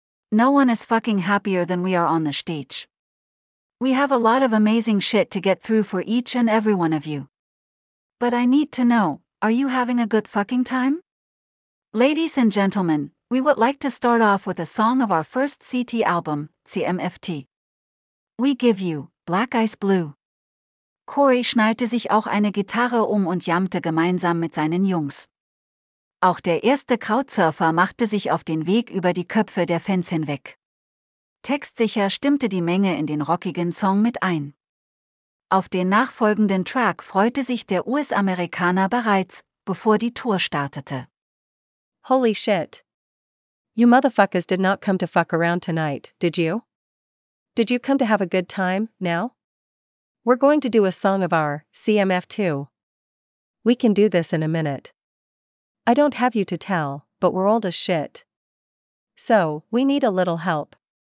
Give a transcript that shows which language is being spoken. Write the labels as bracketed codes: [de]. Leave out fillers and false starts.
[en] No one is fucking happier than we are on the stage. We have a lot of amazing shit to get through for each and every one of you. But I need to know, are you having a good fucking time? Ladies and gentlemen, we would like to start off with a song of our first CT album, CMFT. We give you, Black Eyes Blue. [de] Corey schnallte sich auch eine Gitarre um und jammte gemeinsam mit seinen Jungs. Auch der erste Krautsurfer machte sich auf den Weg über die Köpfe der Fans hinweg. Textsicher stimmte die Menge in den rockigen Song mit ein. Auf den nachfolgenden Track freute sich der US-Amerikaner bereits, bevor die Tour startete. [en] Holy shit. You motherfuckers did not come to fuck around tonight, did you? Did you come to have a good time, now? We're going to do a song of our, CMF2. We can do this in a minute. I don't have you to tell, but we're old as shit. So, we need a little help.